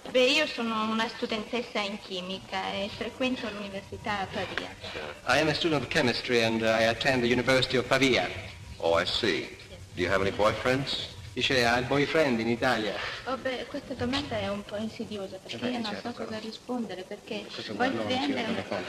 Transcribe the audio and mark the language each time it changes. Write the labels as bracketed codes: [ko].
[it] Beh, io sono una studentessa in chimica e frequento l'università a Pavia. [en] I am a student of chemistry and I attend the University of Pavia. Oh, I see. Do you have any boyfriends? [it] Dice, ha il boyfriend in Italia. Oh, beh, questa domanda è un po' insidiosa perché io non so cosa rispondere, perché boyfriend è una